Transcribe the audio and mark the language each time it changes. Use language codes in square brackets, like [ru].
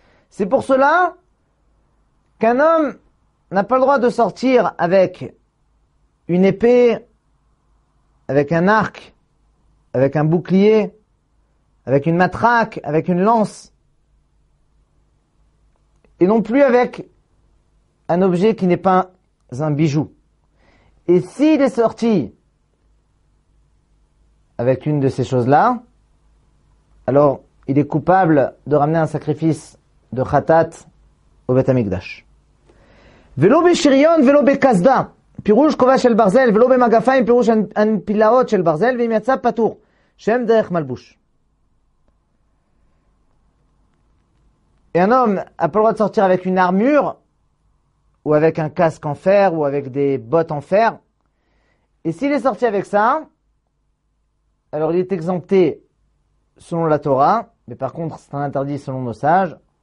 [fr] C'est pour cela qu'un homme n'a pas le droit de sortir avec une épée, avec un arc, avec un bouclier, avec une matraque, avec une lance, et non plus avec un objet qui n'est pas un bijou. Et s'il est sorti avec une de ces choses-là, alors il est coupable de ramener un sacrifice de khatat au Beth Amikdash. [he] ולא בשריון ולא בקסדה, פירוש כובע של ברזל, ולא במגפיים, פירוש הנפילאות של ברזל, ואם יצא פתור, שם דרך מלבוש. [fr] Et un homme a pas le droit de sortir avec une armure, ou avec un casque en fer, ou avec des bottes en fer. Et s'il est sorti avec ça, alors il est exempté selon la Torah, mais par contre c'est un interdit selon nos sages.